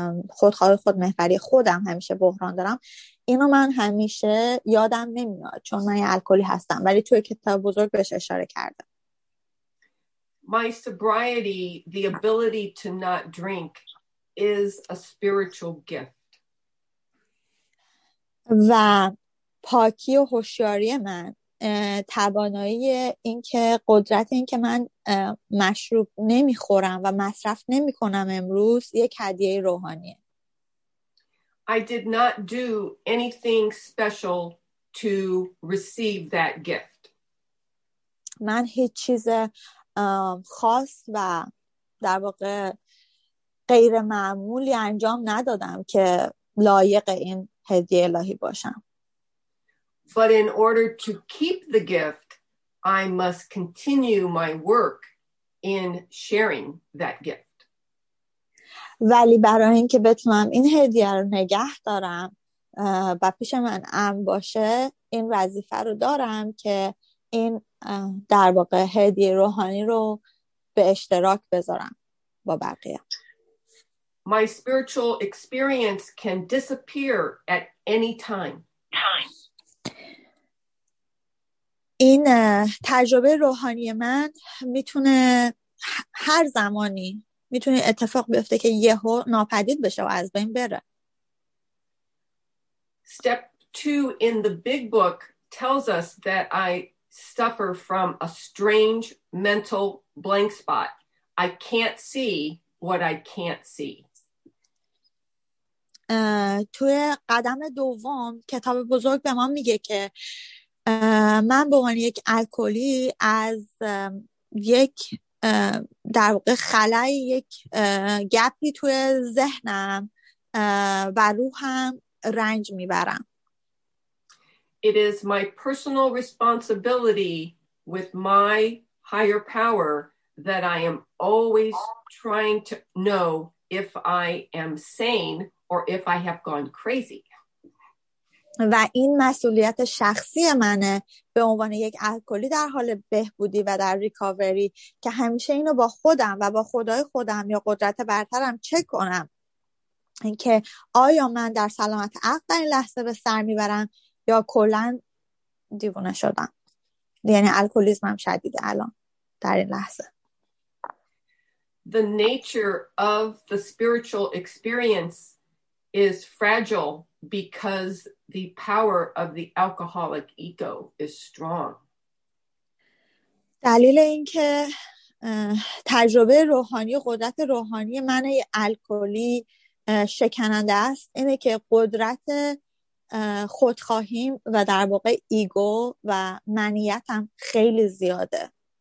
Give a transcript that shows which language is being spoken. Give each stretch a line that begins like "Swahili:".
Persian: خودخواه خود محوری خودم همیشه بحران دارم، اینو من همیشه یادم نمیاد چون من الکلی هستم، ولی توی کتاب بزرگ بهش اشاره کرده.
English: My sobriety, the ability to not drink, is a spiritual gift.
Persian: و پاکی و هوشیاری من، توانایی این که قدرت این که من مشروب نمیخورم و مصرف نمیکنم امروز یک هدیه روحانیه.
English: I did not do anything special to receive that gift.
Persian: من هیچ چیز خاص و در واقع غیر معمولی انجام ندادم که لایق این هدیه الهی باشم.
English: But in order to keep the gift, I must continue my work in sharing that gift.
Persian: ولی برای اینکه بتونم این هدیه رو نگه دارم و پیش من امن باشه، این وظیفه رو دارم که این در واقع هدیه روحانی رو به اشتراک بذارم با بقیه.
English: My spiritual experience can disappear at any time.
Persian: این تجربه روحانی من میتونه هر زمانی میتونه اتفاق بیفته که یهو ناپدید بشه و از بین بره.
English: Step 2 in the big book tells us that I suffer from a strange mental blank spot. I can't see what I can't see.
Persian: توی قدم دوم کتاب بزرگ به ما میگه که من به عنوان یک الکلی از یک در واقع خلای یک گپی توی ذهنم و روحم رنج میبرم.
English: It is my personal responsibility with my higher power that I am always trying to know if I am sane or if I have gone crazy.
Persian: و این مسئولیت شخصی منه به عنوان یک الکلی در حال بهبودی و در ریکاوری که همیشه اینو با خودم و با خدای خودم یا قدرت برترم چک کنم که آیا من در سلامت عقل در این لحظه به سر میبرم یا کلن دیوانه شدم، یعنی الکلیزمم شدیده الان در این لحظه.
English: The nature of the spiritual experience is fragile because the power of the alcoholic ego is strong.
Persian: دلیل اینکه تجربه روحانی قدرت روحانی من الکلی شکننده است اینه که قدرت خودخواهیم و در واقع ایگو و منیتم خیلی زیاده.